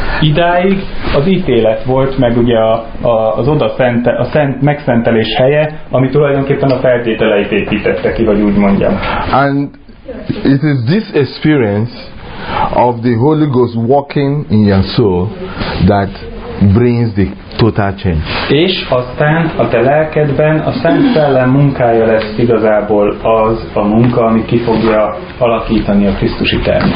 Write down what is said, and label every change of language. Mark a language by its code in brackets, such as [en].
[hu] Idáig az ítélet volt meg ugye a megszentelés helye, ami tulajdonképpen a feltételeit építette ki, vagy úgy mondjam. [en] And It is this experience of the Holy Ghost working in your soul that brings the total change. [hu] És aztán a te lelkedben a Szent Szellem munkája lesz igazából az a munka, ami ki fogja alakítani a Krisztusi termet.